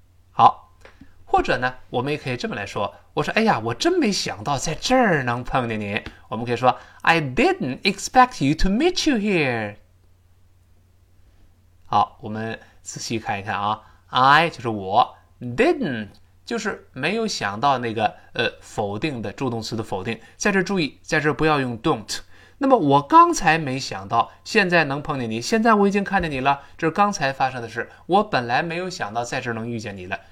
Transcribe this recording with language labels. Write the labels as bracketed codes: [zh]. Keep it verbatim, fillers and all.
[zh] 好。或者呢，我们也可以这么来说，我说哎呀，我真没想到在这儿能碰见你。 [en] 我们可以说 I didn't expect you to meet you here。 [zh] 好，我们仔细看一看啊。 I 就是我， didn't 就是没有想到那个呃否定的助动词的否定，在这注意，在这不要用 don't。那么我刚才没想到现在能碰见你，现在我已经看见你了，这是刚才发生的事，我本来没有想到在这儿能遇见你了。